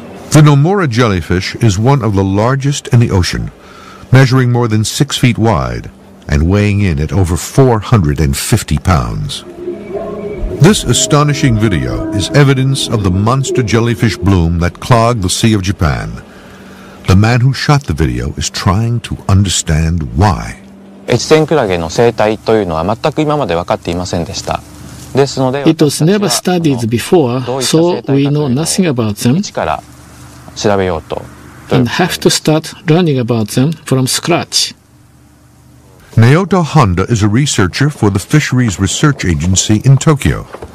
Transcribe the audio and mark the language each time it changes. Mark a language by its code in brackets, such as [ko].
[en] The Nomura jellyfish is one of the largest in the ocean, measuring more than 6 feet wide and weighing in at over 450 pounds. This astonishing video is evidence of the monster jellyfish bloom that clogged the Sea of Japan. The man who shot the video is trying to understand why. [ja] 越前クラゲの生態というのは全く今まで分かっていませんでした。ですので、 [en] It was never studied before, so we know nothing about them. [ja] 一から調べようと。 [en] And have to start learning about them from scratch. Naota Honda is a researcher for the Fisheries Research Agency in Tokyo.